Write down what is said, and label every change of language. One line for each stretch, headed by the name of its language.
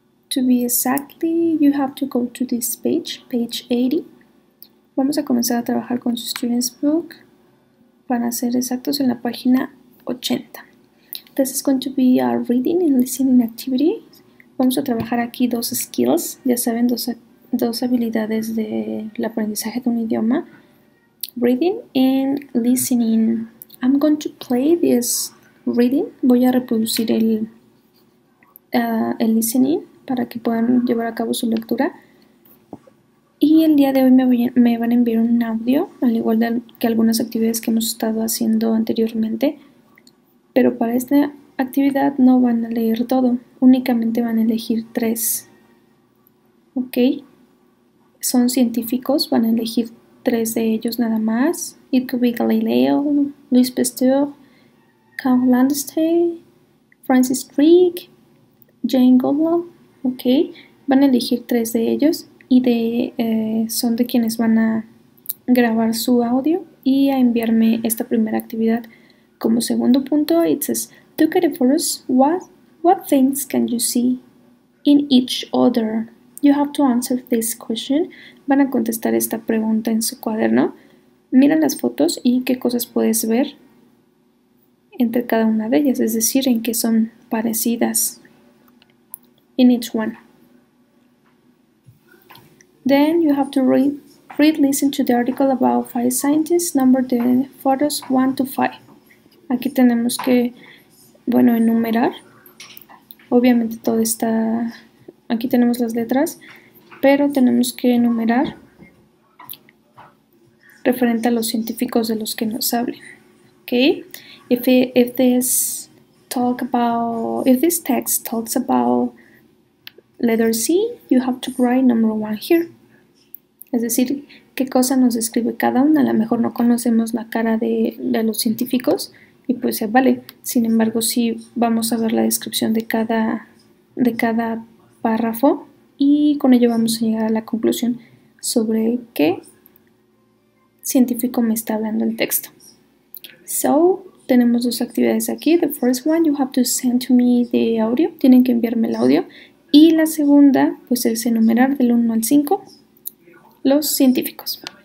English: To be exactly, you have to go to this page, page 80.
Spanish: Vamos a comenzar a trabajar con su student's book. Para ser exactos, en la página 80.
English: This is going to be a reading and listening activity.
Spanish: Vamos a trabajar aquí dos skills, ya saben, dos habilidades del aprendizaje de un idioma.
English: Reading and listening. I'm going to play this reading.
Spanish: Voy a reproducir el listening para que puedan llevar a cabo su lectura. Y el día de hoy me van a enviar un audio, al igual que algunas actividades que hemos estado haciendo anteriormente. Pero para esta actividad no van a leer todo, únicamente van a elegir tres. ¿Ok? Son científicos, van a elegir tres de ellos nada más.
English: It could be Galileo, Louis Pasteur, Carl Landsteiner, Francis Crick, Jane Goodall. ¿Ok?
Spanish: Van a elegir tres de ellos y son de quienes van a grabar su audio y a enviarme esta primera actividad. Como segundo punto,
English: it says, look at the photos. What things can you see in each other? You have to answer this question.
Spanish: Van a contestar esta pregunta en su cuaderno. Mira las fotos y qué cosas puedes ver entre cada una de ellas, es decir, en qué son parecidas.
English: In each one. Then you have to listen to the article about five scientists, number the photos 1 to 5.
Spanish: Aquí tenemos que, bueno, enumerar. Obviamente todo está, aquí tenemos las letras, pero tenemos que enumerar referente a los científicos de los que nos hablen.
English: Okay? If this text talks about letter C, you have to write number 1 here.
Spanish: Es decir, qué cosa nos describe cada una. A lo mejor no conocemos la cara de los científicos. Y pues se vale, sin embargo, sí vamos a ver la descripción de cada párrafo y con ello vamos a llegar a la conclusión sobre qué científico me está hablando el texto. So, tenemos dos actividades aquí.
English: The first one, you have to send to me the audio.
Spanish: Tienen que enviarme el audio. Y la segunda, pues es enumerar del 1 al 5 los científicos.